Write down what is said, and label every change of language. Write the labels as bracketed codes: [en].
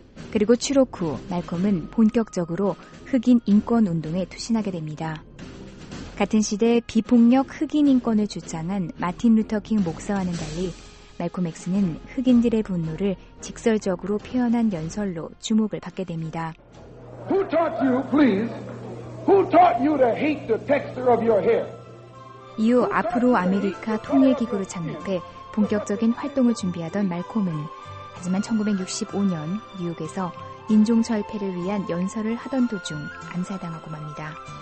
[ko] 그리고 출옥 후 말콤은 본격적으로 흑인 인권 운동에 투신하게 됩니다. 같은 시대 비폭력 흑인 인권을 주장한 마틴 루터킹 목사와는 달리 말콤 X는 흑인들의 분노를 직설적으로 표현한 연설로 주목을 받게 됩니다. [en] Who taught you, please? Who taught you to hate the texture of your hair? [ko] 이후 아프로 아메리카 통일 기구를 창립해 본격적인 활동을 준비하던 말콤은 하지만 1965년 뉴욕에서 인종 철폐를 위한 연설을 하던 도중 암살당하고 맙니다.